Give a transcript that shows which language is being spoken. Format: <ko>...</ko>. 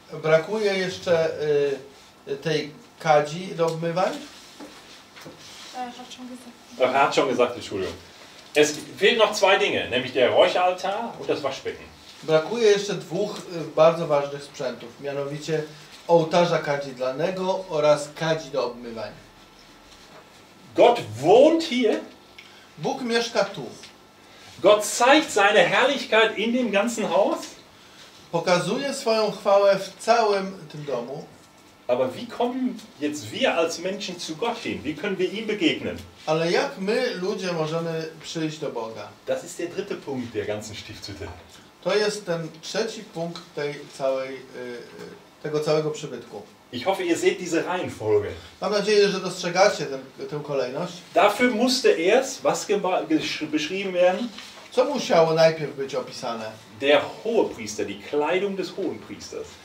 <pl>Brakuje jeszcze tej kadzi do obmywań?</pl> <de>Ach, er hat schon gesagt, Entschuldigung. Es fehlen noch zwei Dinge, nämlich der Räucheraltar und das Waschbecken.</de> <pl>Brakuje jeszcze dwóch bardzo ważnych sprzętów, mianowicie ołtarza kadzidlanego oraz kadzi do obmywań.</pl> <de>Gott wohnt hier.</de> <pl>Bóg mieszka tu.</pl> <de>Gott zeigt seine Herrlichkeit in dem ganzen Haus.</de> <pl>Pokazuje swoją chwałę w całym tym domu.</pl> <de>Aber wie kommen jetzt wir als Menschen zu Gott hin? Wie können wir ihm begegnen?</de> <pl>Ale jak my ludzie możemy przyjść do Boga?</pl> <de>Das ist der dritte Punkt der ganzen Stiftshütte.</de> <pl>To jest ten trzeci punkt tej całej tego całego przybytku.</pl> <de>Ich hoffe, ihr seht diese Reihenfolge.</de> <pl>Mam nadzieję, że dostrzegacie tę kolejność.</pl> <de>Dafür musste erst was beschrieben werden.</de> <pl>Co musiało najpierw być opisane?</pl> <de>Der Hohepriester, die Kleidung des Hohenpriesters.</de>